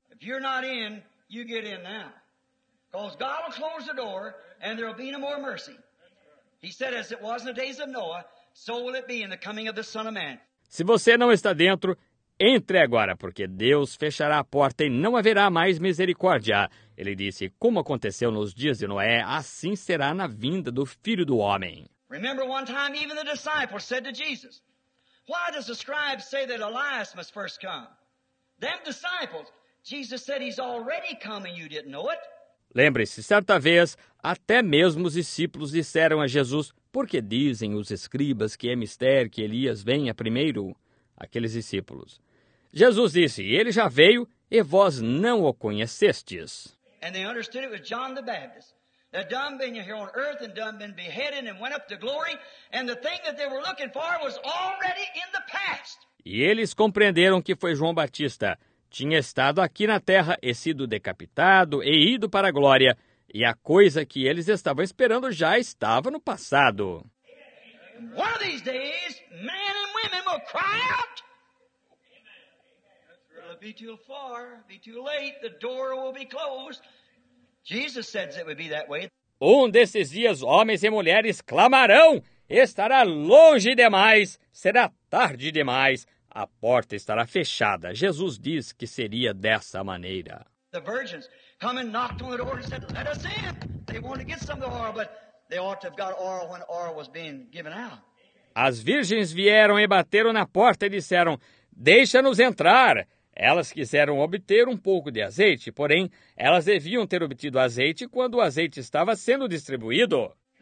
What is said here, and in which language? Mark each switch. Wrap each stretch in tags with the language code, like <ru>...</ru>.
<en>If you're not in, you get in now. Because God will close the door and there will be no more mercy. He said, as it was in the days of Noah, so will it be in the coming of the Son of Man.</en> <pt>Se você não está dentro, entre agora, porque Deus fechará a porta e não haverá mais misericórdia. Ele disse, como aconteceu nos dias de Noé, assim será na vinda do Filho do Homem.</pt> <en>Remember one time even the disciples said to Jesus, why does the scribe say that Elias must first come? Them disciples, Jesus said he's already come and you didn't know it.</en> <pt>Lembre-se, certa vez, até mesmo os discípulos disseram a Jesus, por que dizem os escribas que é mistério que Elias venha primeiro? Aqueles discípulos. Jesus disse, ele já veio e vós não o conhecestes.</pt> <en>And they understood it was John the Baptist. The dumb been here on earth and dumb been beheaded and went up to glory. And the thing that they were looking for was already in the past.</en> <pt>E eles compreenderam que foi João Batista. Tinha estado aqui na terra e sido decapitado e ido para a glória. E a coisa que eles estavam esperando já estava no passado.</pt> <en>One of these days, men and women will cry out. It'll be too far, be too late, the door will be closed. Jesus says it would be that way.</en> <pt>Um desses dias, homens e mulheres clamarão, estará longe demais, será tarde demais, a porta estará fechada. Jesus diz que seria dessa maneira.</pt> <en>The virgins come and knocked on the door and said, let us in. They want to get some of the oil, but they ought to have got oil when oil was being given out.</en> <pt>As virgens vieram e bateram na porta e disseram, deixa-nos entrar. Elas quiseram obter um pouco de azeite, porém, elas deviam ter obtido azeite quando o azeite estava sendo distribuído.</pt>